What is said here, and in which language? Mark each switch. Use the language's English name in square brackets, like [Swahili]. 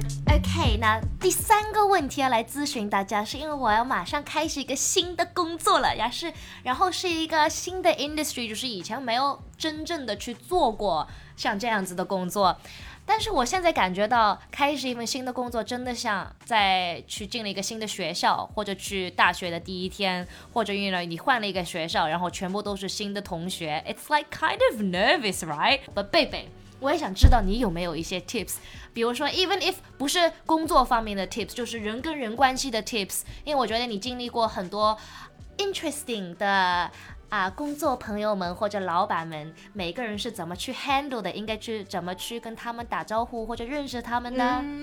[Chinese] OK， 那第三个问题要来咨询大家，是因为我要马上开始一个新的工作了，然后是一个新的 industry， 就是以前没有真正的去做过像这样子的工作。但是我现在感觉到开始一份新的工作真的像在去进了一个新的学校，或者去大学的第一天，或者因为你换了一个学校，然后全部都是新的同学。 [English] It's like kind of nervous, right? [Chinese] But 贝贝，我也想知道你有没有一些 tips， 比如说 [English] even if [Chinese] 不是工作方面的 tips， 就是人跟人关系的 tips， 因为我觉得你经历过很多 interesting 的工作朋友们或者老板们，每个人是怎么去 handle 的，应该去怎么去跟他们打招呼或者认识他们呢？